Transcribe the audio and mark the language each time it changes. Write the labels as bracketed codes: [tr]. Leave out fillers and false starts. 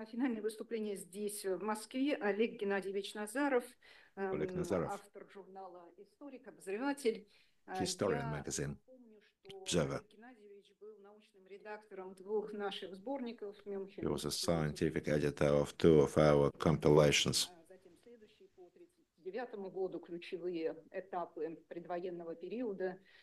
[ru] Финальное выступление здесь, в Москве. Олег Геннадьевич Назаров, Олег Назаров. Автор журнала «Историк», обозреватель. [en] Historian magazine. Observer. [ru] Олег Геннадьевич был научным редактором двух наших сборников. [en] He was a scientific editor of two of our compilations. [ru] Затем следующие по 1939 году ключевые этапы предвоенного периода.